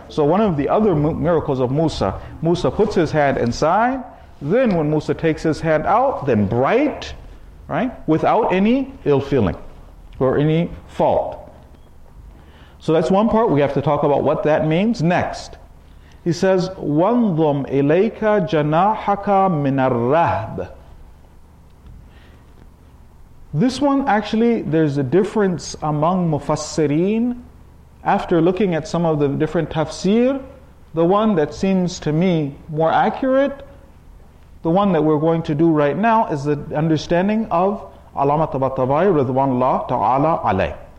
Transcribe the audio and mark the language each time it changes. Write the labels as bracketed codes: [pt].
[en] So one of the other miracles of Musa, Musa puts his hand inside, then when Musa takes his hand out, then bright, right? Without any ill feeling or any fault. So that's one part. We have to talk about what that means. Next. [ar] He says, وَنْظُمْ إِلَيْكَ جَنَاحَكَ مِنَ الرَّهْبِ. [en] This one, actually, there's a difference among mufassirin. After looking at some of the different tafsir, the one that seems to me more accurate, the one that we're going to do right now, is the understanding of Allama Tabatabai, Ridwanullah Ta'ala Alayh.